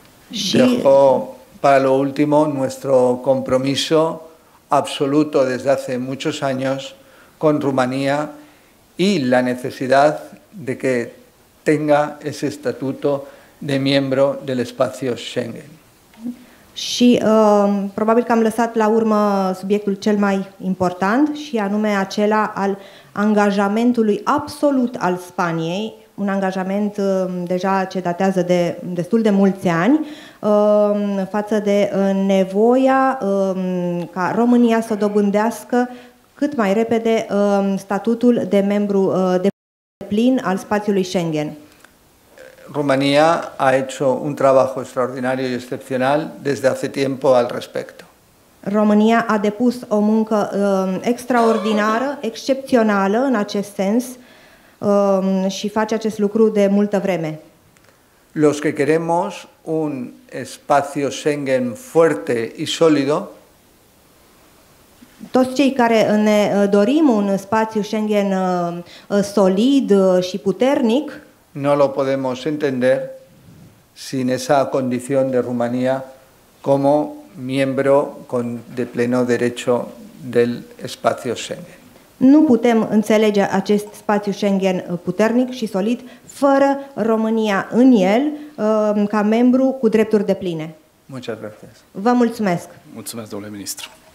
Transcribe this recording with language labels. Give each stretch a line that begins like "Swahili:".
Spanish: Dejo para lo último nuestro compromiso absoluto desde hace muchos años con Rumanía y la necesidad de que tenga ese estatuto de miembro del espacio Schengen.
Romanian: Și probabil că am lăsat la urmă subiectul cel mai important, și anume acela al angajamentului absolut al Spaniei, un angajament deja ce datează de destul de mulți ani, față de nevoia ca România să dobândească cât mai repede statutul de membru de plin al spațiului Schengen.
Spanish: Rumanía ha hecho un trabajo extraordinario y excepcional desde hace tiempo al respecto.
Romanian: România a depus o muncă extraordinară, excepțională în acest sens și face acest lucru de multă vreme.
Spanish: Los que queremos un espacio Schengen fuerte y sólido.
Romanian: Toți cei care ne dorim un spațiu Schengen solid și puternic.
Spanish: No lo podemos entender sin esa condición de Rumanía como miembro con de pleno derecho del espacio Schengen.
Romanian: Nu putem înțelege acest spațiu Schengen puternic și solid fără România în el, ca membru cu drepturi depline.
Spanish: Muchas gracias.
Romanian: Vă mulțumesc. Mulțumesc, domnule ministru.